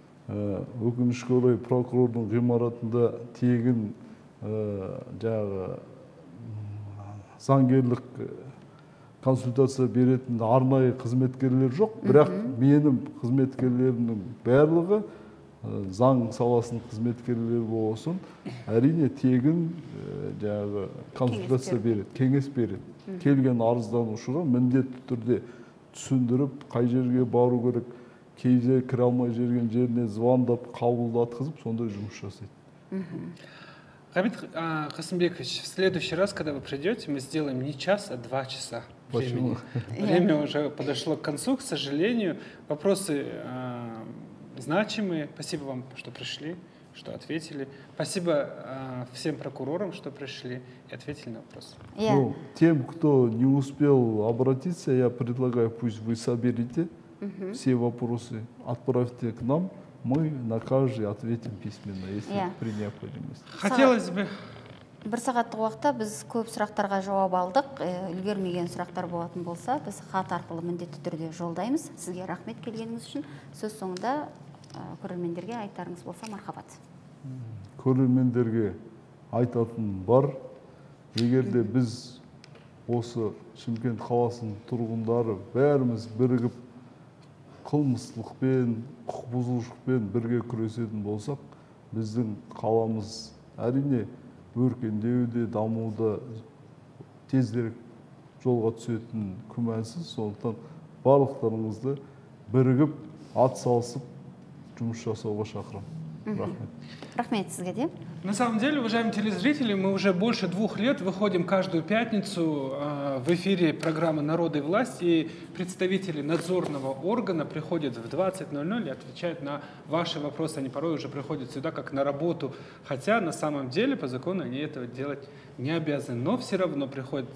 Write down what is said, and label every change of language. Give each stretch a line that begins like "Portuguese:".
Kazakh: Өкінішке орай прокурордың ғимаратында тегін жағы заңгерлік консультация беретін арнайы қызметкерлер жоқ, бірақ менің қызметкерлерімнің барлығы заң саласының қызметкерлері болсын, әрине тегін жағы консультация береді, кеңес береді. Келген арызданушыға міндетті түрде түсіндіріп, қай жерге бару керек, кей жерге кіре алмай жерген жеріне звандап, қабылдатқызып, сонда жұмыс жасайды.
Russian: Габит Қасымбекович, в следующий раз, когда вы придете, мы сделаем не час, а два часа времени. Время уже подошло к концу, к сожалению. Вопросы значимые. Спасибо вам, что пришли, что ответили. Спасибо всем прокурорам, что пришли и ответили на вопросы. Ну, тем, кто не успел обратиться, я предлагаю, пусть вы соберете все вопросы, отправьте к нам. Мы на каждый ответим письменно, если при необходимости. Хотелось бы.
Kazakh: Бір сағатты уақытта біз көп сұрақтарға жауап алдық. Үлгермеген сұрақтар болатын болса, біз хат арқылы міндетті түрде жолдаймыз. Сізге рахмет келгеніңіз үшін. Сөз соңында көрермендерге айтарыңыз болса, мархабат. Көрермендерге айтатын бар. Егер де біз осы Шымкент қаласының тұрғындары бәріміз бірігіп, қылмыстылықпен, құқық бұзушылықпен бірге күресетін болсақ, біздің қаламыз әрине өркендеуде, дамуда тезірек жолға түсетін күмәнсіз, сондықтан барлықтарыңызды бірігіп, атсалысып, жұмыс жасауға шақырамын. Рахмет сізге де.
Russian: На самом деле, уважаемые телезрители, мы уже больше 2 лет выходим каждую пятницу в эфире программы «Народ и власть», и представители надзорного органа приходят в 20:00 и отвечают на ваши вопросы. Они порой уже приходят сюда как на работу, хотя на самом деле по закону они этого делать не обязаны, но все равно приходят.